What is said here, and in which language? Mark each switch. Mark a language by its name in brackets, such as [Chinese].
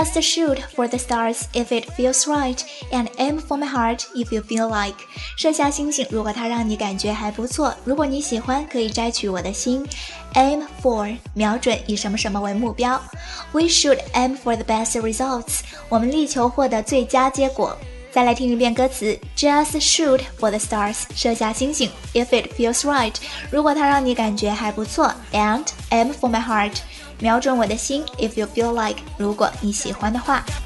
[English] Just shoot for the stars if it feels right, and aim for my heart if you feel like. [Chinese] 射下星星，如果它让你感觉还不错，如果你喜欢，可以摘取我的心。 Aim for, 瞄准以什么什么为目标。 [English] We should aim for the best results, [Chinese] 我们力求获得最佳结果。 [English] 再来听一遍歌词 Just shoot for the stars [Chinese] 射下星星 [English] If it feels right [Chinese] 如果它让你感觉还不错 [English] And aim for my heart [Chinese] 瞄准我的心 [English] If you feel like [Chinese] 如果你喜欢的话